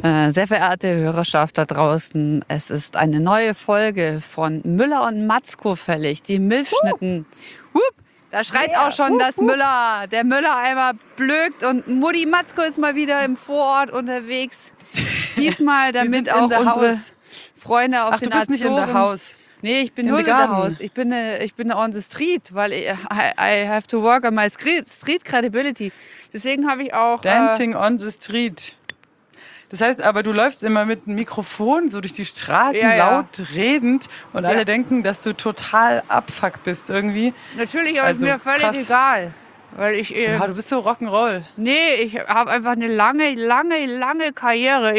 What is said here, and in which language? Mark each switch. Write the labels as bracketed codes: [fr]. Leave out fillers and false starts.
[de] Sehr verehrte Hörerschaft da draußen, es ist eine neue Folge von Müller und Matzko fällig, die Milfschnitten. Da schreit auch schon das Müller, der Müller einmal blökt und Mutti Matzko ist mal wieder im Vorort unterwegs. Diesmal, damit auch unsere Freunde auf den Azoren... Ach, du bist nicht in der Haus. Nee, ich bin nur in der Haus. Ich bin [en] on the street, [de] weil [en] I have to work on my street credibility. [de] Deswegen habe ich auch... [en] Dancing on the street. [de] Das heißt aber, du läufst immer mit einem Mikrofon so durch die Straßen, laut redend und alle denken, dass du total abfuck bist irgendwie. Natürlich, aber also, ist mir völlig egal. Weil ich, du bist so Rock'n'Roll. Nee, ich habe einfach eine lange, lange, lange Karriere.